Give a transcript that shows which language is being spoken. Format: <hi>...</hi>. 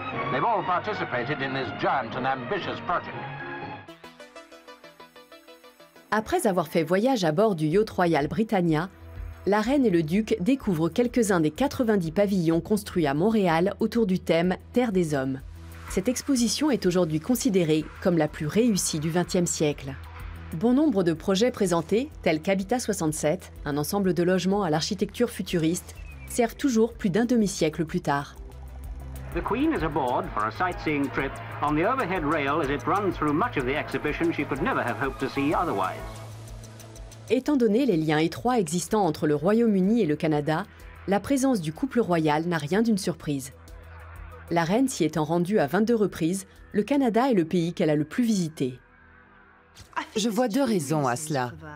<en>They've all participated in this giant and ambitious project.</en> <fr>Après avoir fait voyage à bord du yacht royal Britannia, la reine et le duc découvrent quelques-uns des 90 pavillons construits à Montréal autour du thème « Terre des hommes ». Cette exposition est aujourd'hui considérée comme la plus réussie du XXe siècle. Bon nombre de projets présentés, tels qu'Habitat 67, un ensemble de logements à l'architecture futuriste, servent toujours plus d'un demi-siècle plus tard.</fr> <en>The Queen is aboard for a sightseeing trip on the overhead rail as it runs through much of the exhibition she could never have hoped to see otherwise.</en> <fr>Étant donné les liens étroits existants entre le Royaume-Uni et le Canada, la présence du couple royal n'a rien d'une surprise. La reine s'y étant rendue à 22 reprises, le Canada est le pays qu'elle a le plus visité. Je vois deux raisons à cela.</fr>